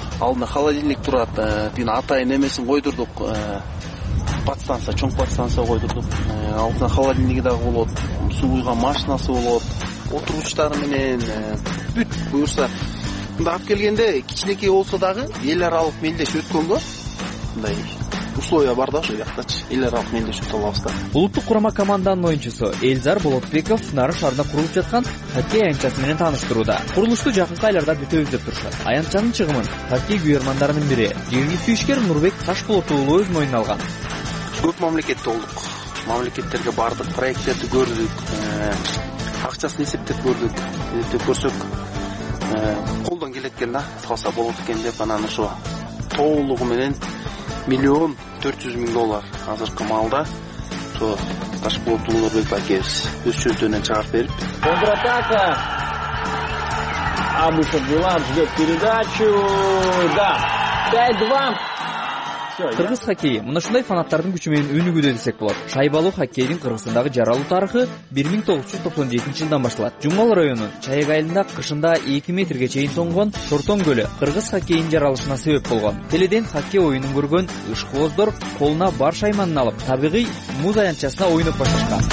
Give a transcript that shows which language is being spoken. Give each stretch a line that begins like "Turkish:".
Kyrgyz: Алдында холодильник турат, тин атай немесин койдурдук, подстанция, чоң подстанция койдурдук. Алдында холодильниги дагы болот, суу куйган машинасы болот, отургучтар менен бүт буюрса. Мында алып келгенде кичинекей болсо дагы эл аралык мелдеш өткөнгө мындай условия бар да ошо жактачы, эл аралык мелдеш өтө алабыз да. Улуттук курама команданын оюнчусу Элзар Болотбеков Нарын шаарында курулуп жаткан хоккей аянтчасы менен тааныштырууда. Курулушту жакынкы айларда бүтөбүз деп турушат. Аянтчанын чыгымын хоккей күйөрмандарынын бири жергиликтүү ишкер Нурбек Ташболот уулу өз моюнуна алган. Көп мамлекетте болдук, мамлекеттерге бардык, проекттерди көрдүк, акчасын эсептеп көрдүк. Эсептеп көрсөк колдон келет экен да, салса болот экен деп анан ошо тоолугу менен $1,400,000 азыркы маалда ошо Ташболот уулу Нурбек акебиз өз чөнтөгүнөн чыгарып берип.
Russian: Контратака. Абышев Булат ждет передачу. Да. 5-2.
Kyrgyz: Кыргыз хоккейи мына ушундай фанаттардын күчү менен өнүгүүдө десек болот. Шайбалуу хоккейдин Кыргызстандагы жаралуу тарыхы 1997-жылдан башталат. Жумгал районунун Чайык айылында кышында 2 метрге чейин тоңгон Шортон көлү кыргыз хоккейинин жаралышына себеп болгон. Теледен хоккей оюнун көргөн ышкооздор колуна бар шайманын алып табигый муз аянтчасына ойноп башташкан.